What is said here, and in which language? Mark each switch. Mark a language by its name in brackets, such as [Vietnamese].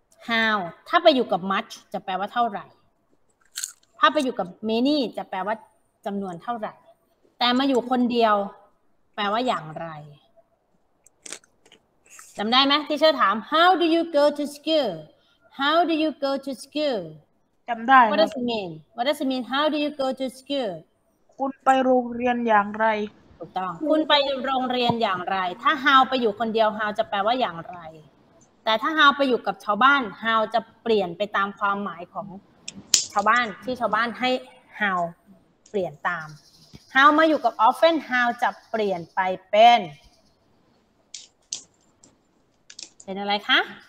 [Thai] how ถ้าไปอยู่กับ much จะแปลว่าเท่าไหร่ถ้าไปอยู่กับ many จะแปลว่าจำนวนเท่าไหร่แต่มาอยู่คนเดียวแปลว่าอย่างไรจำได้ไหมที่เชอร์ถาม [English] how do you go to school [Thai] how do you go to school จำได้ [English] what does it mean what does it mean how do you go to school [Thai] คุณไปโรงเรียนอย่างไร ถูกต้องคุณไปโรงเรียนอย่างไรถ้า how ไปอยู่คนเดียว how จะแปลว่าอย่างไรแต่ถ้า how ไปอยู่กับชาวบ้าน how จะเปลี่ยนไปตามความหมายของชาวบ้านที่ชาวบ้านให้ how เปลี่ยนตาม how มาอยู่กับ often how จะเปลี่ยนไปเป็นอะไรคะ